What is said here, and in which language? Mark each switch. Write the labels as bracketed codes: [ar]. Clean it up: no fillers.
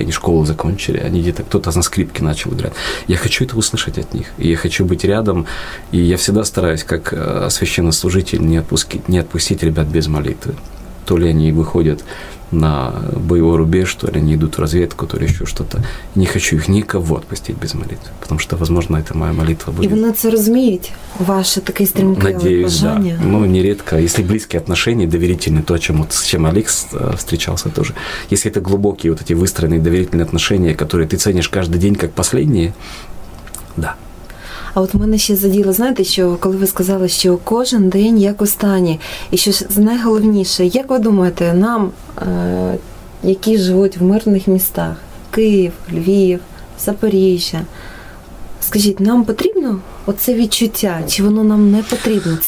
[ru] Они школу закончили, они где-то, кто-то на скрипке начал играть. Я хочу это услышать от них, и я хочу быть рядом. И я всегда стараюсь, как священнослужитель, не отпустить ребят без молитвы. То ли они выходят на боевой рубеж, то ли они идут в разведку, то ли еще что-то. Не хочу их никого отпустить без молитвы, потому что, возможно, это моя молитва будет. [uk] И вони це розуміють, ваше таке стрімке бажання? [ru] Надеюсь, да. Ну, нередко. Если близкие отношения, доверительные, то, с чем Олег встречался тоже. Если это глубокие вот эти выстроенные доверительные отношения, которые ты ценишь каждый день как последние, да. [uk] А от мене ще заділо, знаєте, що коли ви сказали, що кожен день як останній, і що найголовніше, як ви думаєте, нам, які живуть в мирних містах, Київ, Львів, Запоріжжя, скажіть, нам потрібно оце відчуття, чи воно нам не потрібно?